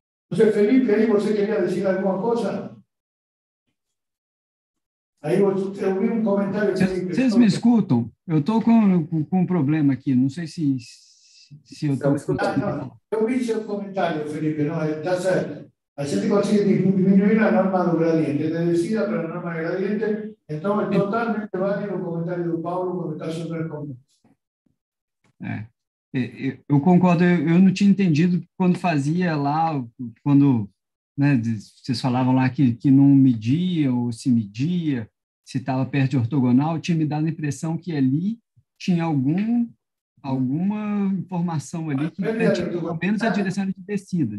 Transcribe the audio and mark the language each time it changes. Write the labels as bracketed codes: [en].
[pt] José Felipe, aí você queria dizer alguma coisa? Aí eu ouvi um comentário... Vocês me escutam? Eu estou com um problema aqui, não sei se eu estou... Eu vi seu comentário, Felipe, não, está certo. A gente consegue diminuir [es] la norma de gradiente, de decida para la norma de gradiente, entonces sí. Totalmente válido el comentario de Pablo con el caso de [pt] Eu concordo, eu não tinha entendido quando fazia lá, quando né, vocês falavam lá que não media ou se media, se estava perto de ortogonal, tinha me dado a impressão que ali tinha alguma informação ali, que pelo menos a direção de descida.